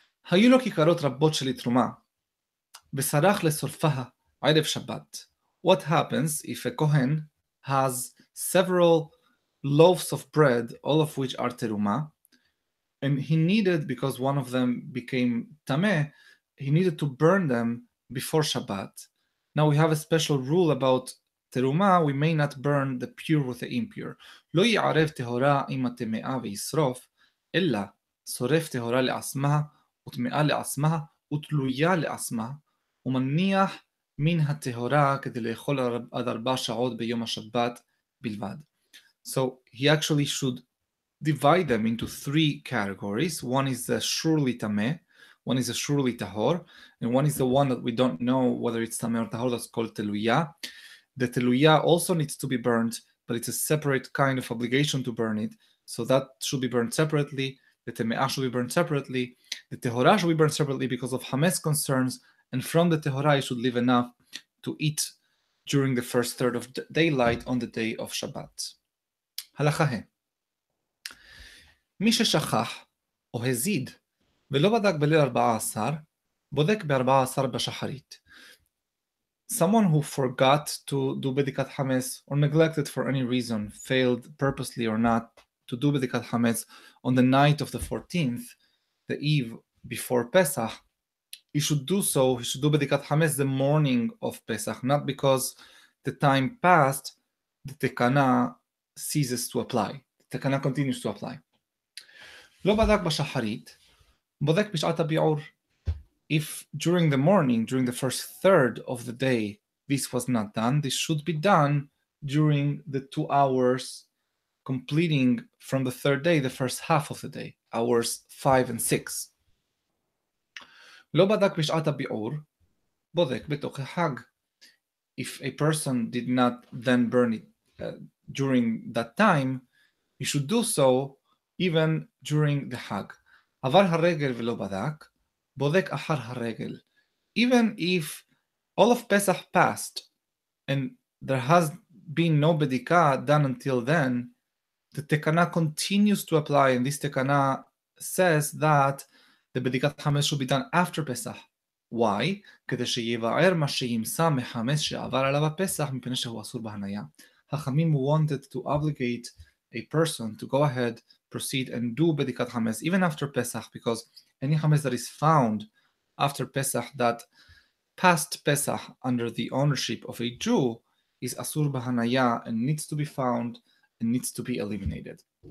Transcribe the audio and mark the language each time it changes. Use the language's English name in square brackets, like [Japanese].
[Hebrew] היו לו כיכרות רבות של תרומה, וסרח לשורפה ערב שבת. [English] What happens if a Kohen has several loaves of bread, all of which are teruma, and he needed, because one of them became tame, he needed to burn them before Shabbat. Now we have a special rule about teruma, we may not burn the pure with the impure. [Hebrew] לא יערב טהורה עם הטמאה וישרוף, אלא שורף טהורה לעצמה, וטמאה לעצמה, ותלויה לעצמה, ומניח מן הטהורה כדי לאכול עד 4 שעות ביום השבת בלבד. [English] So he actually should divide them into 3 categories. One is the surely tame, one is the surely tahor, and one is the one that we don't know whether it's tame or tahor, that's called teluya. The teluya also needs to be burned, but it's a separate kind of obligation to burn it. So that should be burned separately. The teme'ah should be burned separately. The tehorah should be burned separately because of hametz concerns. And from the tehorah, you should leave enough to eat during the first third of daylight on the day of Shabbat. [Hebrew] הלכה הן. מי ששכח או הזיד ולא בדק בליל 14, בודק ב-14 בשחרית. [English] Someone who forgot to do בדיקת חמץ or neglected for any reason, failed purposely or not to do בדיקת חמץ on the night of the 14th, the eve before Pesach, he should do so, he should do בדיקת חמץ the morning of Pesach, not because the time passed, the תקנה ceases to apply. The תקנה continues to apply. [Hebrew] לא בדק בשחרית, בודק בשעת הביעור. [English] If during the morning, during the first third of the day, this was not done, this should be done during the 2 hours completing from the third day, the first half of the day, hours 5 and 6. [Hebrew] לא בדק בשעת הביעור, בודק בתוך החג. [English] If a person did not then burn it during that time, he should do so even during the Hag. [Hebrew] עבר הרגל ולא בדק, בודק אחר הרגל. [English] Even if all of Pesach passed and there has been no bedika done until then, the tekana continues to apply, and this tekana says that the bedikat hametz should be done after Pesach. Why? [Hebrew] כדי שיבער מה שימסה מחמץ שעבר עליו הפסח מפני שהוא אסור בהניה. [English] Hachamim wanted to obligate a person to go ahead, proceed and do בדיקת חמץ even after Pesach, because any חמץ that is found after Pesach that passed Pesach under the ownership of a Jew is אסור בהניה and needs to be found and needs to be eliminated.